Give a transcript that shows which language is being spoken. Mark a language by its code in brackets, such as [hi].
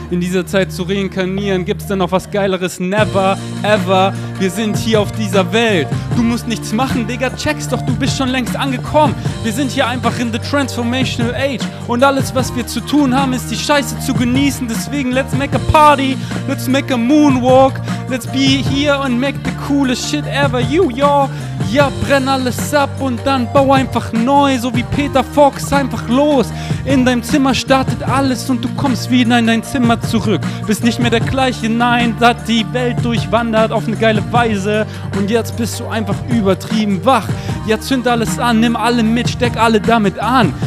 [de] In dieser Zeit zu reinkarnieren, gibt's denn noch was Geileres? [en] Never, ever. [de] Wir sind hier auf dieser Welt. Du musst nichts machen, Digga, check's doch, du bist schon längst angekommen. Wir sind hier einfach [en] in the transformational age. [de] Und alles, was wir zu tun haben, ist die Scheiße zu genießen. Deswegen, [en] let's make a party, let's make a moonwalk. Let's be here and make the coolest shit ever, you, y'all. [de] Ja, brenn alles ab und dann bau einfach neu, so wie Peter Fox, einfach los. In deinem Zimmer startet alles und du kommst wieder in dein Zimmer zurück. Bist nicht mehr der gleiche, nein, da die Welt durchwandert auf eine geile Weise. Und jetzt bist du einfach übertrieben wach. Ja, zünd alles an, nimm alle mit, steck alle damit an.